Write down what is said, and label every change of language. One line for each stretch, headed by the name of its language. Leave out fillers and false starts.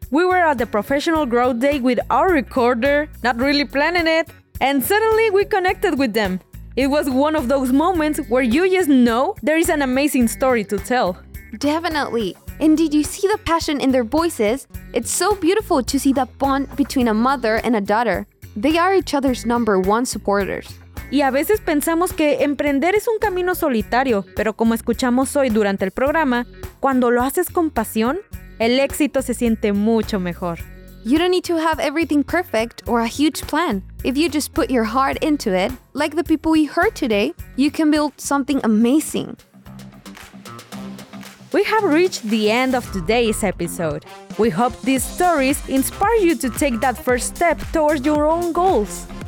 English: We were at the professional growth day with our recorder, not really planning it, and suddenly we connected with them. It was one of those moments where you just know there is an amazing story to tell. Definitely! And did you see the passion in their voices? It's so beautiful to see that bond between a mother and a daughter. They are each other's number one supporters.
Spanish: Y a veces pensamos que emprender es un camino solitario, pero como escuchamos hoy durante el programa, cuando lo haces con pasión, el éxito se siente mucho mejor.
English: You don't need to have everything perfect or a huge plan. If you just put your heart into it, like the people we heard today, you can build something amazing. We have reached the end of today's episode. We hope these stories inspire you to take that first step towards your own goals.